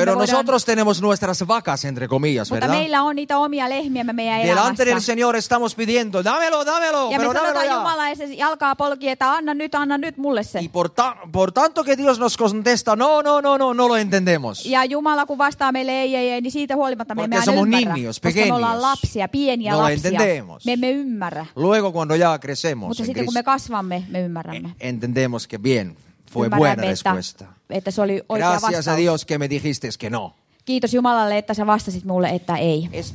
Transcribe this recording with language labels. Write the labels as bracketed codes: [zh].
[es] Pero [fi] me voidaan... [es] nosotros tenemos nuestras vacas, entre comillas, [fi] Mutta [es] ¿verdad? [fi] Meillä on niitä omia lehmiä meidän elämässä. [es] Delante del Señor estamos pidiendo, dámelo, [fi] ja [es] pero dámelo ya. [fi] Ja me sanotaan Jumala, ja se jalkaa polki, että anna nyt mulle se. [es] Por tanto que Dios nos contesta, no lo entendemos. [fi] Ja Jumala kun vastaa meille ei, niin siitä huolimatta me emme ymmärrä. Niños, koska me ollaan lapsia, pieniä [es] no [fi] lapsia. [es] Entendemos. [fi] Me emme ymmärrä. [es] Luego cuando ya crecemos. [fi] Mutta sitten kun me kasvamme, me ymmärrämme. [es] Entendemos que bien, fue buena respuesta. [fi] Että se oli oikea [es] Gracias [fi] vastaus. [es] Gracias a Dios que me dijiste que no. [fi] Kiitos Jumalalle, että sä vastasit mulle, että ei.